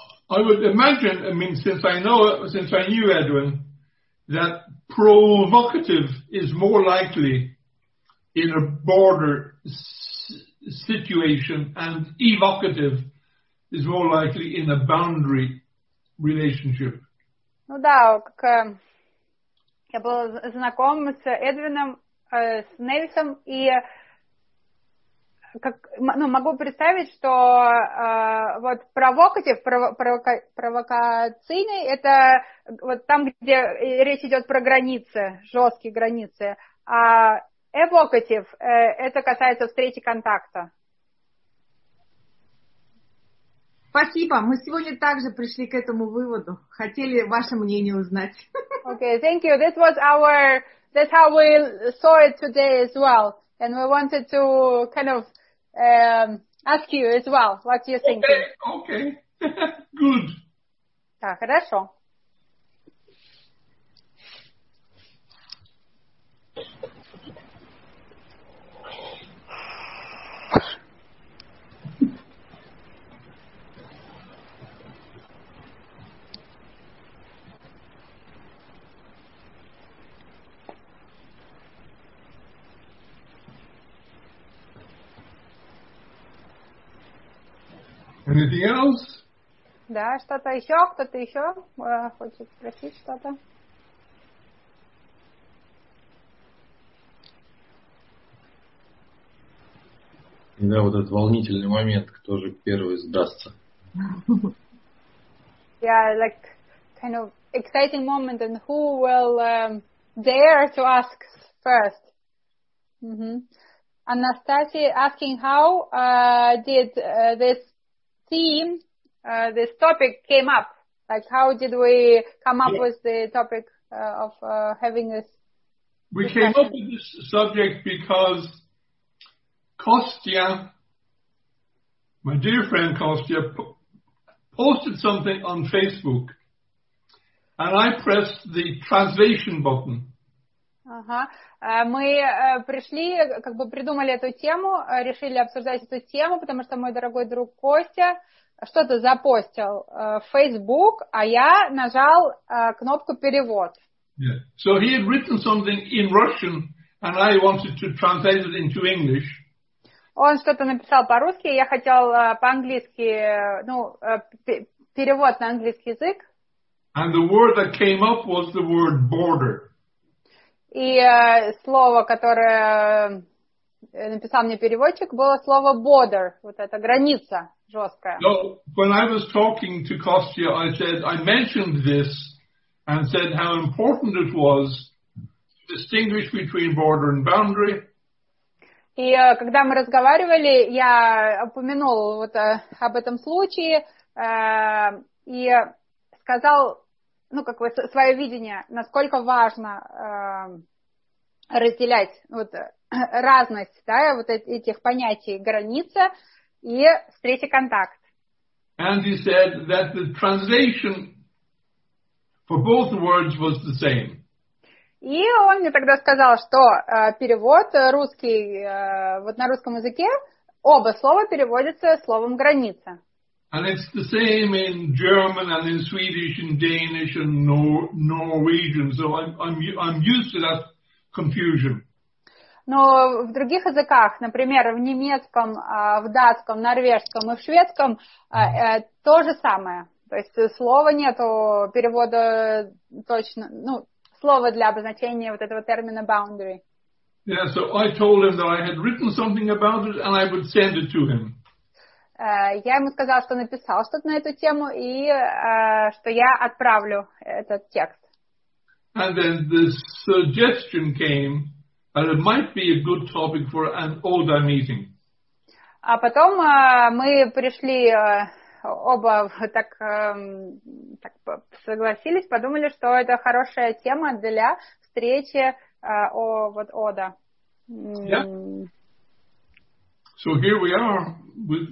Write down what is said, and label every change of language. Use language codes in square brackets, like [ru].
[en] I would imagine, I mean, since I knew Edwin, that provocative is more likely in a border situation, and evocative is more likely in a boundary relationship. [ru] Ну да, как я был знаком с Эдвином, с Нельсом, и как, ну, могу представить, что вот provocative, провокационный, это вот там, где речь идет про границы, жесткие границы, а evocative, это касается встречи контакта. Спасибо, мы сегодня также пришли к этому выводу, хотели ваше мнение узнать. [en] Okay, thank you. This was our, that's how we saw it today as well, and we wanted to kind of ask you as well, what you think. Okay, okay, good. [ru] Да, хорошо. [en] Anything else? [ru] Да, что-то еще, кто-то еще хочет спросить что-то. Да, вот этот волнительный момент, кто же первый сдастся. [en] Yeah, like kind of exciting moment, and who will dare to ask first? Анастасия asking how did this theme, this topic came up? Like, how did we come up with the topic of having this discussion? We came up with this subject because Kostya, my dear friend Kostya, posted something on Facebook, and I pressed the translation button. [ru] Мы пришли, как бы придумали эту тему, решили обсуждать эту тему, потому что мой дорогой друг Костя что-то запостил в Facebook, а я нажал кнопку перевод. [en] Yeah. So he had written something in Russian, and I wanted to translate it into English. [ru] Он что-то написал по-русски, я хотел по-английски, ну, перевод на английский язык. [en] And the word that came up was the word border. [ru] И слово, которое написал мне переводчик, было слово border, вот эта граница жесткая. [en] So, when I was talking to Kostya, I said, I mentioned this and said how important it was to distinguish between border and boundary. [ru] И когда мы разговаривали, я упомянул вот об этом случае и сказал, ну, как бы, свое видение, насколько важно разделять вот разность, да, вот этих понятий граница и встреча контакт. [en] And he said that the translation for both words was the same. [ru] И он мне тогда сказал, что перевод русский, вот на русском языке, Оба слова переводятся словом «граница». [en] And it's the same in German and in Swedish and Danish and Norwegian. So I'm used to that confusion. [ru] Но в других языках, например, в немецком, в датском, норвежском и в шведском то же самое. То есть слова нету перевода точно, ну, слова для обозначения вот этого термина boundary. [en] Yeah, so I told him that I had written something about it and I would send it to him. [ru] Я ему сказала, что написал что-то на эту тему и что я отправлю этот текст. [en] And then the suggestion came that it might be a good topic for an older meeting. [ru] А потом мы пришли оба так, так согласились, подумали, что это хорошая тема для встречи о вот Ода. [en] Yeah. So here we are with